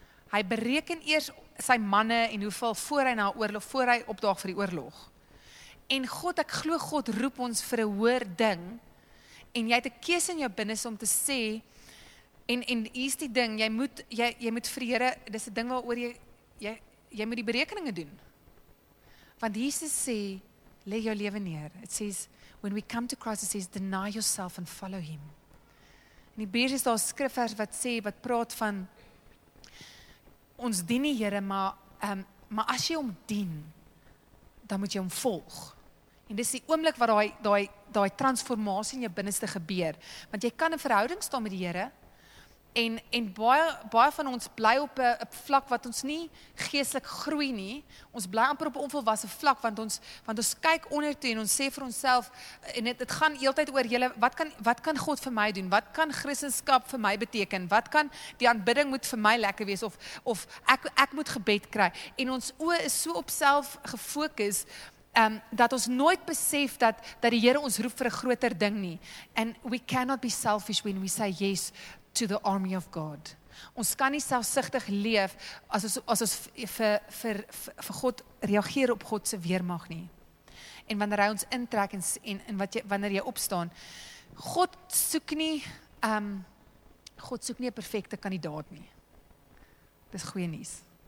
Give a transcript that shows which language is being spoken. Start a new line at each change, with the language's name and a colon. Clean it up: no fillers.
Afrikaans: Hy bereken eers sy manne en hoeveel voor hy na oorlog, voor hy opdaag vir die oorlog. En God, ek glo God roep ons vir 'n hoër ding, en jy het 'n keuse in jou binneste om te sê, en hier is die ding, jy moet vir die Here, dis 'n ding waaroor jy moet die berekeninge doen. Want Jesus sê, lê jou lewe neer.
English: It says, when we come to Christ, it says, deny yourself and follow him.
Afrikaans: In die Hebreërs is daar 'n skrifvers wat sê, wat praat van, ons dien die Here, maar as jy hom dien, dan moet jy hom volg. En dis die oomblik wat daai transformasie in jou binneste gebeur. Want jy kan 'n verhouding staan met die Here, en baie van ons bly op 'n vlak wat ons nie geestelik groei nie. Ons bly amper op 'n onvolwasse vlak, want ons kyk onder toe en ons sê vir onsself, en dit gaan heeltyd oor julle, wat kan God vir my doen? Wat kan Christenskap vir my beteken? Wat kan die aanbidding moet vir my lekker wees? Of ek moet gebed kry? En ons oë is so op self gefokus, dat ons nooit besef dat die Here ons roep vir 'n groter ding nie.
English: And we cannot be selfish when we say yes to the army of God.
Afrikaans: Ons kan nie selfsugtig leef as ons vir God reageer op God se weermag nie. En wanneer hy ons intrek en wat jy, wanneer jy opstaan, God soek nie 'n perfekte kandidaat nie. Dis goeie nuus.